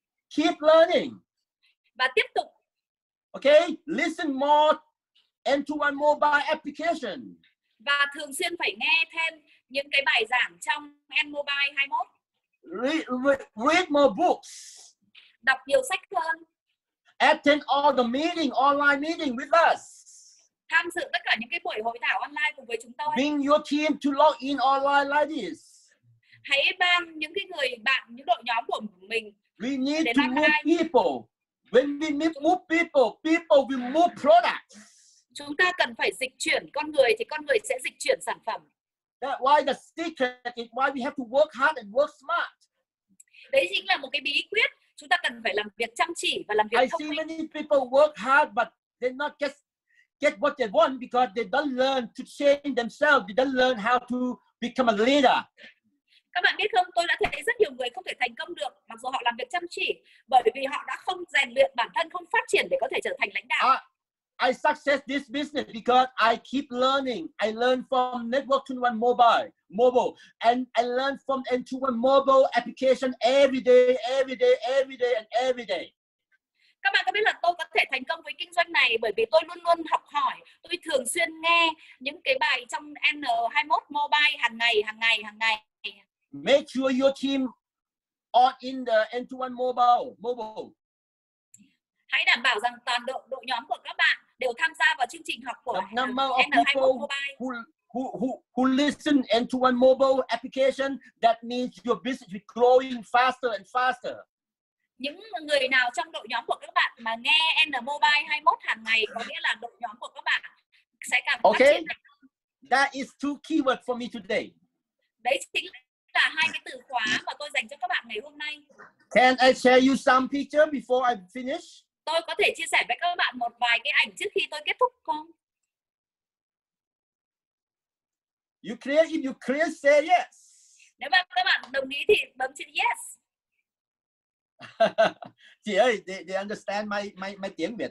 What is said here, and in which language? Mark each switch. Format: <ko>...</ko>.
<en>Keep learning.</en> <vi>Và tiếp tục.</vi> <en>Okay, listen more N21 Mobile application.</en> <vi>Và thường xuyên phải nghe thêm những cái bài giảng trong N21 Mobile.</vi> <en>Read more books.</en> <vi>Đọc nhiều sách hơn.</vi> <en>Attend all the meeting, online meeting with us.</en> <vi>Tham dự tất cả những cái buổi hội thảo online cùng với chúng tôi.</vi> <en>Bring your team to log in online like this.</en> <vi>Hãy mang những cái người bạn, những đội nhóm của mình.</vi> <en>We need to move people. When we move people, people will move products.</en> <vi>Chúng ta cần phải dịch chuyển con người thì con người sẽ dịch chuyển sản phẩm.</vi> <en>That's why the secret is why we have to work hard and work smart.</en> <vi>Đấy chính là một cái bí quyết. Chúng ta cần phải làm việc chăm chỉ và làm việc thông minh.</vi> <en>I see many people work hard but they not get what they want because they don't learn to change themselves. They don't learn how to become a leader.</en> <vi>Các bạn biết không, tôi đã thấy rất nhiều người không thể thành công được mặc dù họ làm việc chăm chỉ bởi vì họ đã không rèn luyện bản thân, không phát triển để có thể trở thành lãnh đạo.</vi> <en>I success this business because I keep learning. I learn from network to one mobile, and I learn from N21 mobile application every day.</en> <vi>Các bạn có biết là tôi có thể thành công với kinh doanh này bởi vì tôi luôn luôn học hỏi, tôi thường xuyên nghe những cái bài trong N21 mobile hàng ngày.</vi> <en>Make sure your team are in the N21 mobile.</en> <vi>Hãy đảm bảo rằng toàn đội nhóm của các bạn đều tham gia vào chương trình học của N21 mobile.</vi> <en>Who listen N21 mobile application, that means your business is growing faster and faster.</en> <vi>Những người nào trong đội nhóm của các bạn mà nghe N-Mobile 21 hàng ngày, có nghĩa là đội nhóm của các bạn sẽ càng</vi> <en>okay.</en> <vi>phát triển.</vi> <en>That is two keywords for me today.</en> <vi>Đấy chính là hai cái từ khóa mà tôi dành cho các bạn ngày hôm nay.</vi> <en>Can I share you some picture before I finish?</en> <vi>Tôi có thể chia sẻ với các bạn một vài cái ảnh trước khi tôi kết thúc không?</vi> <en>If you clear, say yes.</en> <vi>Nếu mà các bạn đồng ý thì bấm chữ yes. Chị ơi,</vi> <en>they understand my tiếng Việt</en>